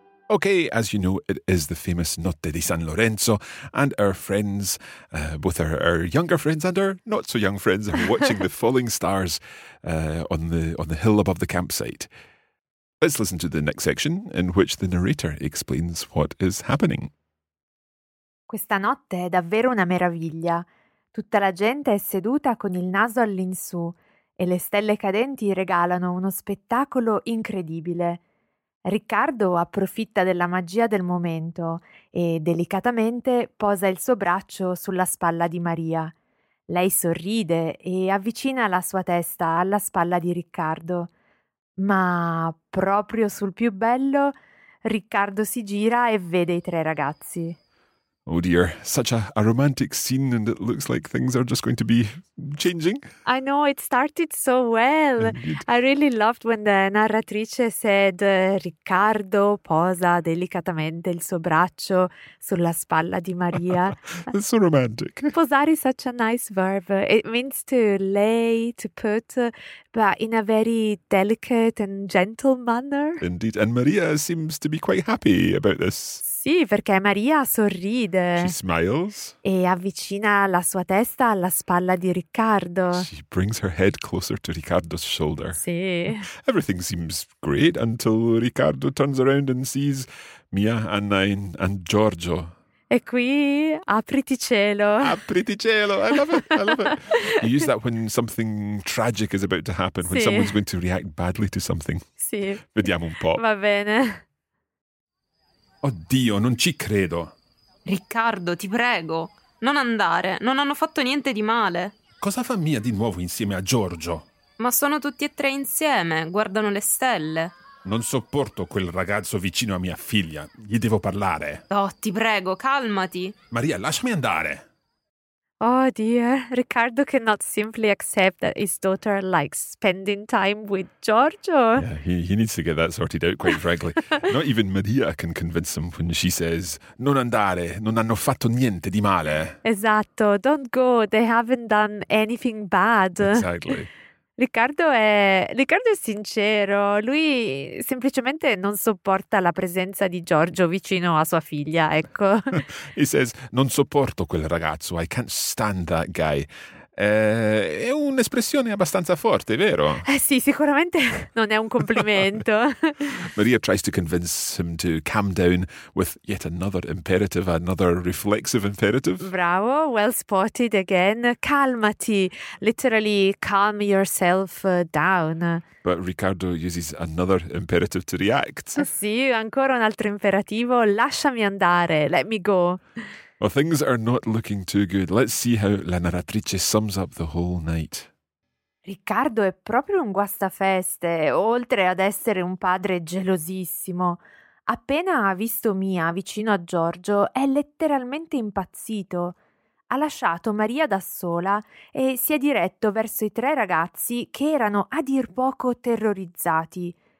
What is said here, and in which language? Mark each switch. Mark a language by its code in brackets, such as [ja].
[en] Okay, as you know, it is the famous Notte di San Lorenzo, and our friends, both our younger friends and our not so young friends, are watching the falling stars on the hill above the campsite. Let's listen to the next section in which the narrator explains what is happening. [it] Questa notte è davvero una meraviglia. Tutta la gente è seduta con il naso all'insù e le stelle cadenti regalano uno spettacolo incredibile. Riccardo approfitta della magia del momento e delicatamente posa il suo braccio sulla spalla di Maria. Lei sorride e avvicina la sua testa alla spalla di Riccardo. Ma proprio sul più bello, Riccardo si gira e vede i tre ragazzi. [en] Oh dear, such a romantic scene, and it looks like things are just going to be changing. I know, it started so well. Indeed. I really loved when the narratrice said [it] Riccardo posa delicatamente il suo braccio sulla spalla di Maria. [en] It's so romantic. Posare is such a nice verb. It means to lay, to put, but in a very delicate and gentle manner. Indeed, and Maria seems to be quite happy about this. [it] Sì, perché Maria sorride. [en] She smiles. [it] E avvicina la sua testa alla spalla di Riccardo. [en] She brings her head closer to Riccardo's shoulder. [it] Sì. [en] Everything seems great until Riccardo turns around and sees Mia, Anna and Giorgio. [it] E qui, apriti cielo. Apriti cielo. [en] I love it. You use that when something tragic is about to happen, when [it] sì. [en] someone's going to react badly to something. [it] Sì. Vediamo un po'. Va bene. Oddio, non ci credo. Riccardo, ti prego, non andare. Non hanno fatto niente di male. Cosa fa Mia di nuovo insieme a Giorgio? Ma sono tutti e tre insieme, guardano le stelle. Non sopporto quel ragazzo vicino a mia figlia. Gli devo parlare. Oh, ti prego, calmati. Maria, lasciami andare. [en] Oh dear, Ricardo cannot simply accept that his daughter likes spending time with Giorgio. Yeah, he needs to get that sorted out, quite frankly. Not even Maria can convince him when she says, [it] non andare, non hanno fatto niente di male. [en] Esatto, don't go, they haven't done anything bad. Exactly. [it] Riccardo è sincero, lui semplicemente non sopporta la presenza di Giorgio vicino a sua figlia, ecco. [en] He says, [it] non sopporto quel ragazzo, [en] I can't stand that guy. [it] È un'espressione abbastanza forte, vero? Sì, sicuramente non è un complimento. [en] Maria tries to convince him to calm down with yet another imperative, another reflexive imperative. Bravo, well spotted again. Calmati, literally calm yourself down. But Ricardo uses another imperative to react. [it] Sì, ancora un altro imperativo. Lasciami andare, [en] let me go. Well, things are not looking too good. Let's see how la narratrice sums up the whole night. [it] Riccardo è proprio un guastafeste, oltre ad essere un padre gelosissimo. Appena ha visto Mia vicino a Giorgio, è letteralmente impazzito. Ha lasciato Maria da sola e si è diretto verso i tre ragazzi che erano a dir poco terrorizzati.